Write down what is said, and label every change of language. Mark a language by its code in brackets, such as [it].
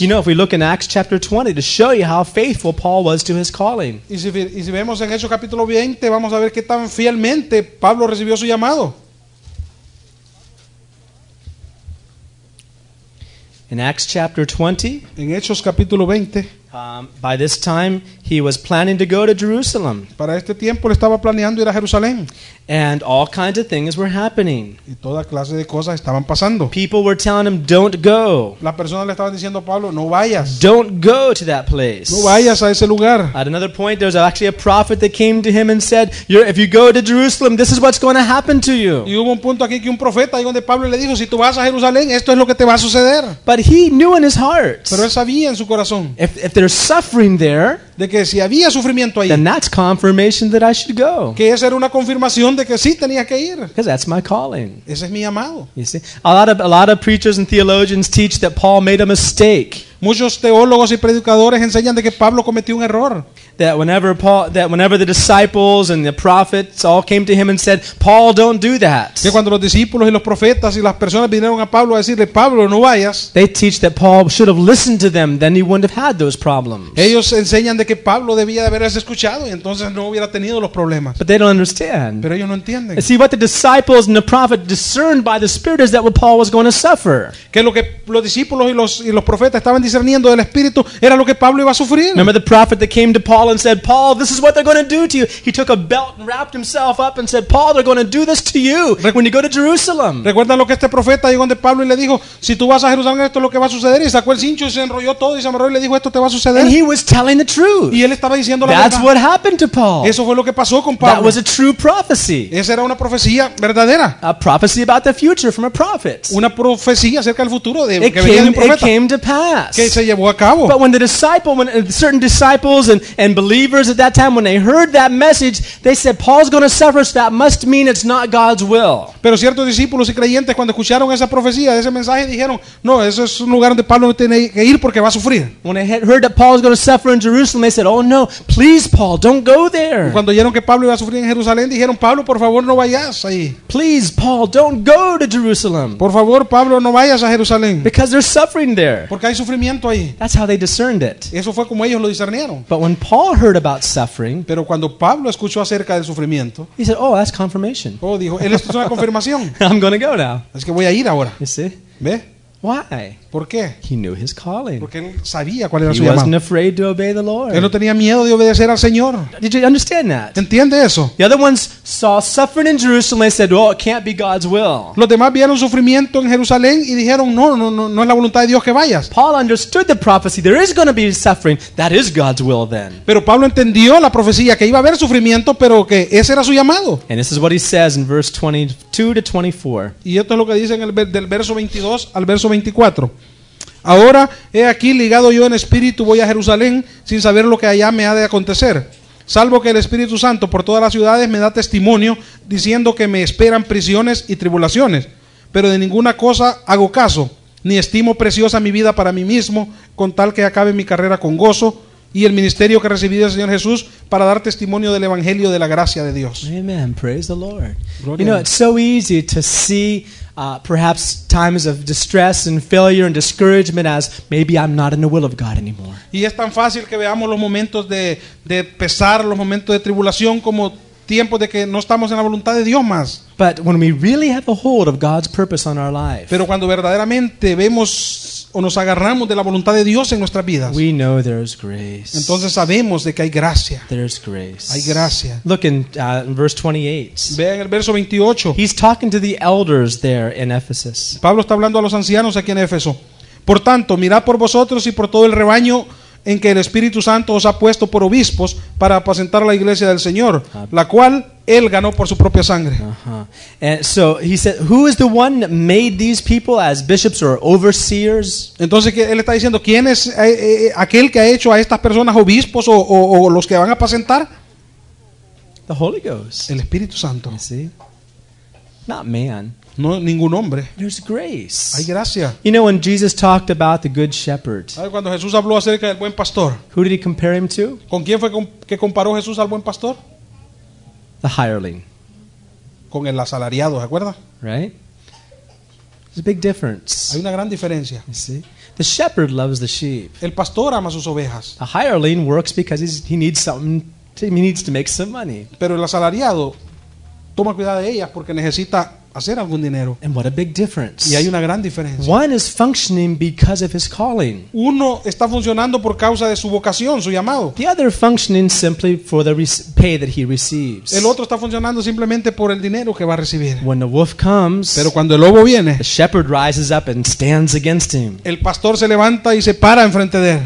[en] You know, if we look in Acts chapter 20 to show you how faithful Paul was to his calling. [es] Y si vemos en Hechos capítulo 20, vamos a ver qué tan fielmente Pablo recibió su llamado. [en] In Acts chapter 20, [es] en Hechos capítulo 20, [en] By this time he was planning to go to Jerusalem. [es] Para este tiempo él estaba planeando ir a Jerusalén. [en] And all kinds of things were happening. [es] Y toda clase de cosas estaban pasando. [en] People were telling him, "Don't go." [es] Las personas le estaban diciendo a Pablo, "No vayas." [en] Don't go to that place. [es] No vayas a ese lugar. [en] At another point there was actually a prophet that came to him and said, "If you go to Jerusalem, this is what's going to happen to you." [es] Y hubo un punto aquí que un profeta ahí donde Pablo le dijo, "Si tú vas a Jerusalén, esto es lo que te va a suceder." [en] But he knew in his heart. [es] Pero él sabía en su corazón. [en] If there's suffering there, [es] de que si había sufrimiento ahí, [en] then that's confirmation that I should go. [es] Que esa era una confirmación de que sí tenía que ir. [en] Because that's my calling. [es] Ese es mi llamado. [en] You see, a lot of preachers and theologians teach that Paul made a mistake. [es] Muchos teólogos y predicadores enseñan de que Pablo cometió un error. [en] That whenever the disciples and the prophets all came to him and said, "Paul, don't do that." [es] Que cuando los discípulos y los profetas y las personas vinieron a Pablo a decirle, "Pablo, no vayas." [en] They teach that Paul should have listened to them, then he wouldn't have had those problems. [es] Ellos enseñan de que Pablo debía de haberse escuchado y entonces no hubiera tenido los problemas. [en] But they don't understand. [es] Pero ellos no entienden. [en] See, what the disciples and the prophet discerned by the Spirit is that what Paul was going to suffer. [es] Que lo que los discípulos y los profetas estaban discerniendo del Espíritu era lo que Pablo iba a sufrir. [en] Remember the prophet that came to Paul and said, "Paul, this is what they're going to do to you." He took a belt and wrapped himself up and said, "Paul, they're going to do this to you when you go to Jerusalem." [es] ¿Recuerdan lo que este profeta llegó donde Pablo y le dijo, "Si tú vas a Jerusalén, esto es lo que va a suceder"? Y sacó el cincho y se enrolló todo y se amarró y le dijo, "Esto te va a suceder." [en] And he was telling the truth. [es] Y él estaba diciendo la verdad. [en] That's what happened to Paul. [es] Eso fue lo que pasó con Pablo. [en] That was a true prophecy. [es] Esa era una profecía verdadera. [en] A prophecy about the future from a prophet. [es] Una profecía acerca del futuro de que venía de un profeta. [en] It came to pass. [es] Que se llevó a cabo. [en] But when certain disciples and believers at that time, when they heard that message, they said, "Paul's going to suffer, so that must mean it's not God's will." [es] Pero ciertos discípulos y creyentes cuando escucharon esa profecía, ese mensaje, dijeron, "No, eso es un lugar donde Pablo no tiene que ir porque va a sufrir." [en] When they heard that Paul's going to suffer in Jerusalem, they said, "Oh no, please, Paul, don't go there." [es] Y cuando oyeron que Pablo iba a sufrir en Jerusalén, dijeron, "Pablo, por favor, no vayas ahí." [en] "Please, Paul, don't go to Jerusalem." [es] Por favor, Pablo, no vayas a Jerusalén. [en] Because there's suffering there. [es] Porque hay sufrimiento. sufrimiento ahí. [en] That's how they discerned it. [es] Eso fue como ellos lo discernieron. [en] But when Paul heard about suffering, [es] pero cuando Pablo escuchó acerca del sufrimiento, [en] he said, "Oh, that's confirmation." [es] Oh, dijo, esto es una confirmación. [en] I'm going to go now. [es] Es que voy a ir ahora. [en] You see? [es] ¿Ve? [en] Why? [es] ¿Por qué? [en] He knew his calling. [es] Porque él sabía cuál era [en] he [es] su llamado. [en] He wasn't afraid to obey the Lord. [es] Él no tenía miedo de obedecer al Señor. [en] Did you understand that? [es] ¿Entiende eso? [en] The other ones saw suffering in Jerusalem and said, "Oh, it can't be God's will." [es] Los demás vieron sufrimiento en Jerusalén y dijeron, no es la voluntad de Dios que vayas. [en] Paul understood the prophecy. There is going to be suffering. That is God's will then. [es] Pero Pablo entendió la profecía que iba a haber sufrimiento, pero que ese era su llamado. [en] And this is what he says in verse 22 to 24. [es] Y esto es lo que dice en el del verso 22 al verso 24. Ahora, he aquí, ligado yo en espíritu, voy a Jerusalén sin saber lo que allá me ha de acontecer, salvo que el Espíritu Santo por todas las ciudades me da testimonio diciendo que me esperan prisiones y tribulaciones, pero de ninguna cosa hago caso, ni estimo preciosa mi vida para mí mismo, con tal que acabe mi carrera con gozo y el ministerio que recibí del Señor Jesús para dar testimonio del Evangelio de la gracia de Dios. [en] Amen. Praise the Lord. You know, it's so easy to see perhaps times of distress and failure and discouragement as maybe I'm not in the will of God anymore. [es] Y es tan fácil que veamos los momentos de pesar, los momentos de tribulación como tiempos de que no estamos en la voluntad de Dios más. [en] But when we really have a hold of God's purpose on our life. [es] Pero cuando verdaderamente vemos o nos agarramos de la voluntad de Dios en nuestras vidas. [en] We know there's grace. [es] Entonces sabemos de que hay gracia. [en] There's grace. [es] Hay gracia. [en] Look in verse 28. [es] Ve en el verso 28. [en] He's talking to the elders there in Ephesus. [es] Pablo está hablando a los ancianos aquí en Éfeso. Por tanto, mirad por vosotros y por todo el rebaño en que el Espíritu Santo os ha puesto por obispos para apacentar la iglesia del Señor, la cual él ganó por su propia sangre. Uh-huh. [en] And so he said, who is the one that made these people as bishops or overseers? [es] Entonces él está diciendo, ¿quién es aquel que ha hecho a estas personas obispos o los que van a apacentar? [en] The Holy Ghost. [es] El Espíritu Santo. [en] You see? Not man. [es] No, ningún hombre. [en] There's grace. [es] Hay gracia. [en] You know, when Jesus talked about the good shepherd, [es] cuando Jesús habló acerca del buen pastor, [en] who did he compare him to? [es] ¿Con quién fue que comparó Jesús al buen pastor? [en] The hireling. [es] Con el asalariado, ¿se acuerda? [en] Right? There's a big difference. [es] Hay una gran diferencia. [en] You see? The shepherd loves the sheep. [es] El pastor ama sus ovejas. [en] The hireling works because he needs something. He needs to make some money. [es] Pero el asalariado toma cuidado de ellas porque necesita hacer algún dinero. [en] And what a big difference. [es] Y hay una gran diferencia. [en] One is functioning because of his calling. [es] Uno está funcionando por causa de su vocación, su llamado. [en] The other functioning simply for the pay that he receives. [es] El otro está funcionando simplemente por el dinero que va a recibir. [en] When the wolf comes, [es] pero cuando el lobo viene, [en] the shepherd rises up and stands against him. [es] El pastor se levanta y se para enfrente de él.